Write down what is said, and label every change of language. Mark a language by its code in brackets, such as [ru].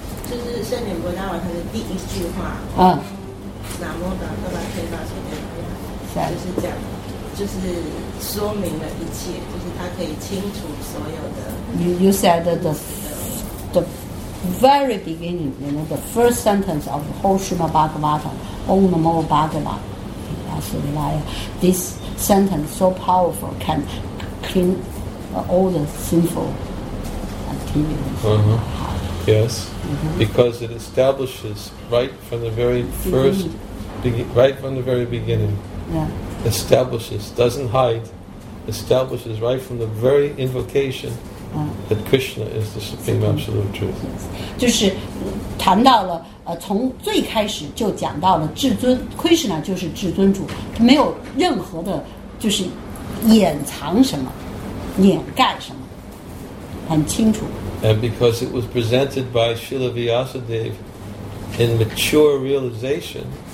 [zh] 就是圣典卢加瓦坛的第一句话。南无达赫拉天大乘菩萨。就是讲，就是说明了一切，就是他可以清除所有的。 [en] You said the very beginning, you know, the first sentence of the whole Srimad Bhagavatam, Om Namo Bhagavata, this sentence so powerful can clean all the sinful activities. Yes, because it establishes right from the very first, right from the very beginning, establishes, doesn't hide, establishes right from the very invocation. That Krishna is the Supreme Absolute Truth. [zh] 就是谈到了从最开始就讲到了至尊 Krishna 就是至尊主，没有任何的就是掩藏什么掩盖什么，很清楚。 [en] And because it was presented by Srila Vyasadeva in mature realization,